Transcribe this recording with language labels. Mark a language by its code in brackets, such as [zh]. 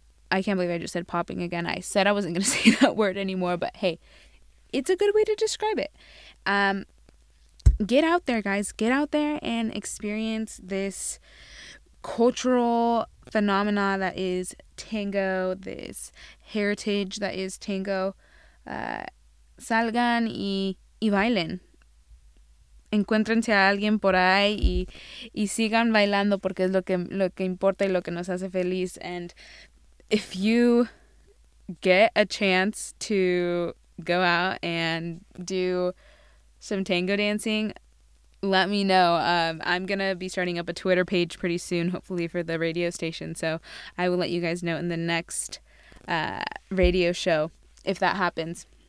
[en] I can't believe I just said popping again. I said I wasn't going to say that word anymore, but hey, it's a good way to describe it. get out there, guys. Get out there and experience this cultural phenomena that is tango, this heritage that is tango. [es] Salgan y bailen. Encuéntrense a alguien por ahí y sigan bailando porque es lo que importa y lo que nos hace feliz. [en] And if you get a chance to go out and do some tango dancing, let me know. I'm going to be starting up a Twitter page pretty soon, hopefully for the radio station. So I will let you guys know in the next radio show if that happens.